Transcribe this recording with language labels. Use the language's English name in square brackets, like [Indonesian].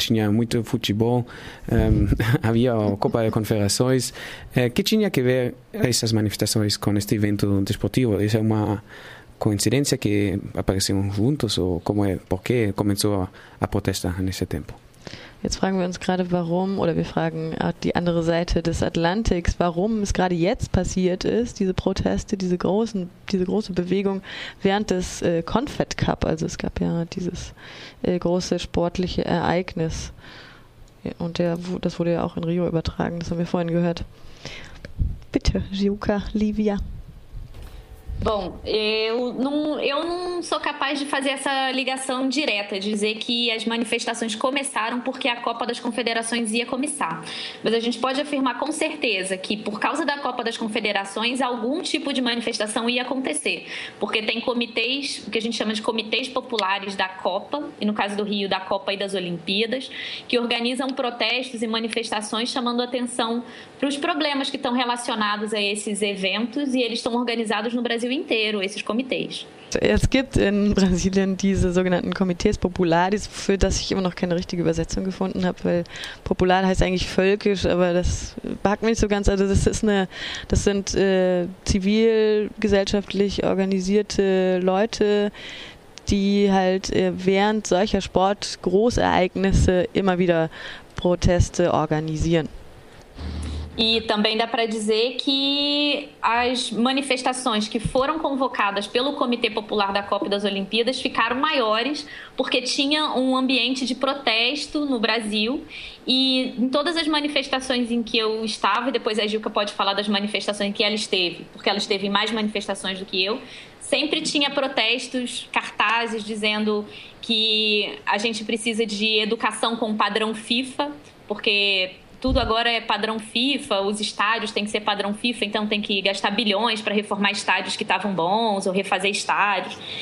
[Portuguese] Tinha muito futebol, havia a Copa de Confederações. Que tinha que ver essas manifestações com este evento desportivo? Isso é uma coincidência que apareceram juntos? Ou como é, por que começou a protesta nesse tempo? [German] Jetzt fragen wir uns gerade, warum, oder wir fragen auch die andere Seite des Atlantiks, warum es gerade jetzt passiert ist, diese Proteste, diese große Bewegung während des Confed Cup. Also es gab ja dieses große sportliche Ereignis. Und das wurde ja auch in Rio übertragen, das haben wir vorhin gehört. Bitte, Giuca, Livia. [Portuguese] Bom, eu não sou capaz de fazer essa ligação direta, de dizer que as manifestações começaram porque a Copa das Confederações ia começar. Mas a gente pode afirmar com certeza que, por causa da Copa das Confederações, algum tipo de manifestação ia acontecer. Porque tem comitês, o que a gente chama de comitês populares da Copa, e no caso do Rio, da Copa e das Olimpíadas, que organizam protestos e manifestações chamando atenção para os problemas que estão relacionados a esses eventos, e eles estão organizados no Brasil inteiro, esses comitês. [German] Es gibt in Brasilien diese sogenannten Comités Populares, für das ich immer noch keine richtige Übersetzung gefunden habe, weil Popular heißt eigentlich völkisch, aber das packt mich so ganz. Also das sind zivilgesellschaftlich organisierte Leute, die halt während solcher Sportgroßereignisse immer wieder Proteste organisieren. [Portuguese] E também dá para dizer que as manifestações que foram convocadas pelo Comitê Popular da Copa e das Olimpíadas ficaram maiores porque tinha um ambiente de protesto no Brasil. E em todas as manifestações em que eu estava, e depois a Gilca pode falar das manifestações em que ela esteve, porque ela esteve em mais manifestações do que eu, sempre tinha protestos, cartazes dizendo que a gente precisa de educação com padrão FIFA, porque tudo agora é padrão FIFA, os estádios têm que ser padrão FIFA, então tem que gastar bilhões para reformar estádios que estavam bons ou refazer estádios.